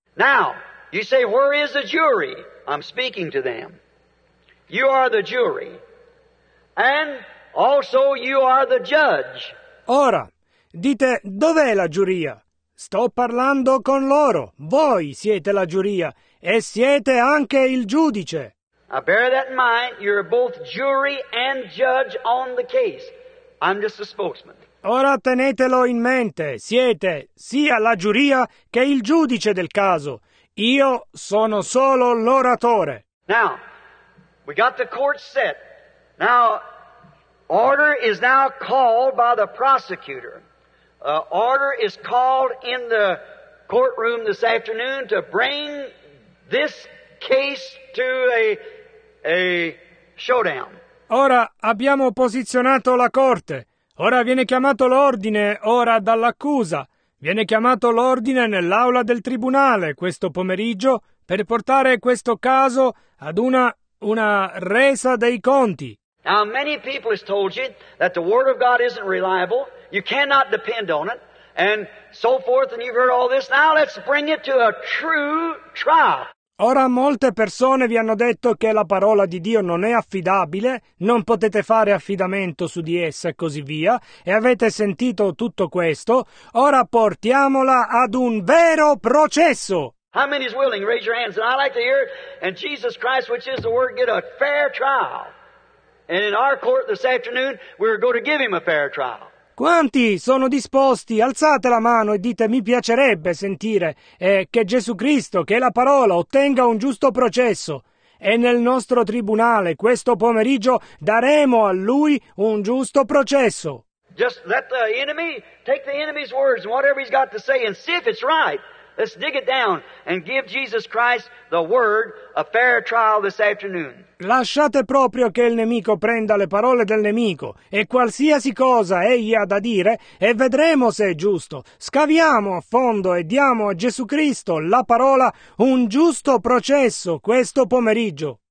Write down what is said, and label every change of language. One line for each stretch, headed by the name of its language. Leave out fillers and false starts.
English: Now, you say, where is the jury? I'm speaking to them. You are the jury. And also you are the judge.
Italian: Ora, dite, dov'è la giuria? Sto parlando con loro. Voi siete la giuria e siete anche il giudice.
English: I bear that in mind. You're both jury and judge on the case. I'm just a spokesman.
Italian: Ora tenetelo in mente. Siete sia la giuria che il giudice del caso. Io sono solo l'oratore.
English: Now, we got the court set. Now, order is now called by the prosecutor. Order is called in the courtroom this afternoon to bring this case to a showdown.
Italian: Ora abbiamo posizionato la corte. Ora viene chiamato l'ordine, ora dall'accusa. Viene chiamato l'ordine nell'aula del tribunale questo pomeriggio per portare questo caso ad una resa dei conti.
English: Now many people have told you that the word of God isn't reliable. You cannot depend on it, and so forth, and you've heard all this. Now let's bring it to a true trial.
Italian: Ora molte persone vi hanno detto che la parola di Dio non è affidabile, non potete fare affidamento su di essa e così via, e avete sentito tutto questo. Ora portiamola ad un vero processo.
English: How many is willing? Raise your hands, and I'd like to hear it. And Jesus Christ, which is the word, get a fair trial. And in our court this afternoon, we're going to give him a fair trial.
Italian: Quanti sono disposti? Alzate la mano e dite mi piacerebbe sentire che Gesù Cristo, che la parola, ottenga un giusto processo. E nel nostro tribunale questo pomeriggio daremo a lui un giusto processo.
English: Just let the enemy take the enemy's words and whatever he's got to say and see if it's right. Let's dig it down and give Jesus Christ the word a fair trial this afternoon.
Italian: Lasciate proprio che il nemico prenda le parole del nemico e qualsiasi cosa egli ha da dire e vedremo se è giusto. Scaviamo a fondo e diamo a Gesù Cristo la parola un giusto processo questo pomeriggio.